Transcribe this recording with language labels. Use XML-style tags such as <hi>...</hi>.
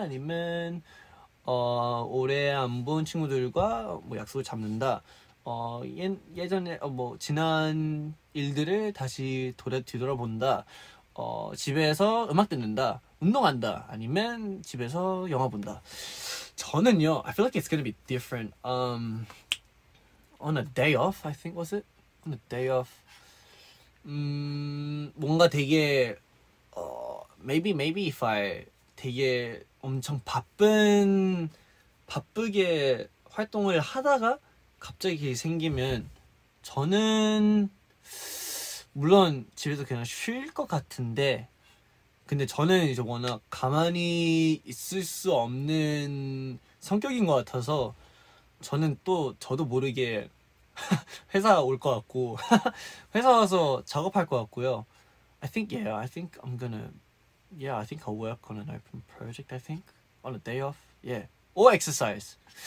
<ko>아니면 오래 안 본 친구들과 뭐 약속을 잡는다. 예전에 뭐 지난 일들을 다시 뒤돌아본다. 집에서 음악 듣는다, 운동한다, 아니면 집에서 영화 본다. 저는요,</ko> <en>I feel like it's gonna be different. On a day off, I think was it? On a day off.</en> <ko>뭔가 되게</ko> <en>maybe if I</en> <ko>되게 엄청 바쁘게 활동을 하다가 갑자기 생기면 저는. 물론 집에서 그냥 쉴 것 같은데 근데 저는 이제 워낙 가만히 있을 수 없는 성격인 것 같아서 저는 또 저도 모르게 회사 올 것 같고 회사 와서 작업할 것 같고요.</ko> <en>I think yeah, I think I'm gonna yeah, I think I'll work on an open project, I think on a day off, yeah, or exercise.</en>